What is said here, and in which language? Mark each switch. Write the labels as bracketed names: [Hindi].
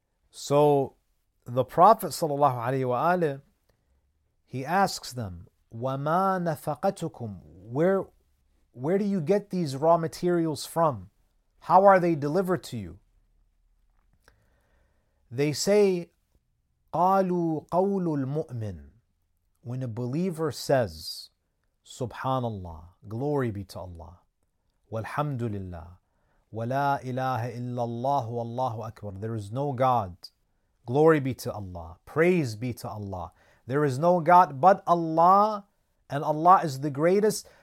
[English] So the Prophet ﷺ, he asks them, وَمَا نَفَقَتُكُمْ. Where do you get these raw materials from? How are they delivered to you? They say, [Arabic] قَالُوا قَوْلُ الْمُؤْمِنِ. [English] When a believer says, Subhanallah, glory be to Allah, walhamdulillah, wala ilaha illallah, wallahu akbar, there is no God, glory be to Allah, praise be to Allah, there is no God but Allah, and Allah is the greatest.